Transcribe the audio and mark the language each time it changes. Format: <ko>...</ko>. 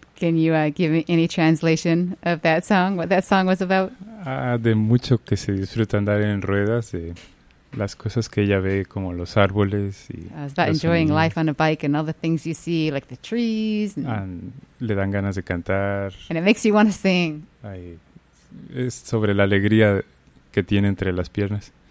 <en>Can you give me any translation of that song, what that song was about?</en> <es>De mucho que se disfruta andar en ruedas, de las cosas que ella ve como los árboles. Y</es> <en>it's about enjoying sonidos. Life on a bike and all the things you see, like the trees.</en> <es>And le dan ganas de cantar.</es> <en>And it makes you want to sing.</en> <es>Ay, es sobre la alegría que tiene entre las piernas.</es>